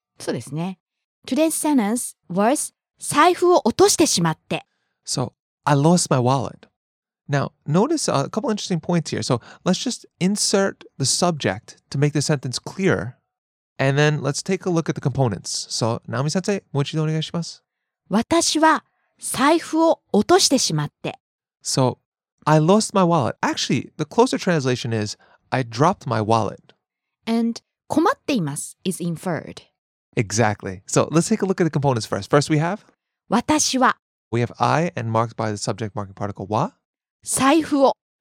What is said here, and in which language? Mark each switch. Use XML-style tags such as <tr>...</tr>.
<ja>そうですね。</ja> <en>Today's sentence was</en> <ja>財布を落としてしまって。</ja> <en>So, I lost my wallet. Now, notice a couple interesting points here. So, let's just insert the subject to make the sentence clearer. And then, let's take a look at the components.</en> <ja>So, Naomi-sensei, もう一度お願いします。私は財布を落としてしまって。</ja> <en>So, I lost my wallet. Actually, the closer translation is I dropped my wallet. And...</en> <ja>困っています</ja> <en>is inferred. Exactly. So let's take a look at the components first. First we have?</en> <ja>私は。</ja> <en>We have I and marked by the subject marking particle wa.</en> <ja>財布を。</ja>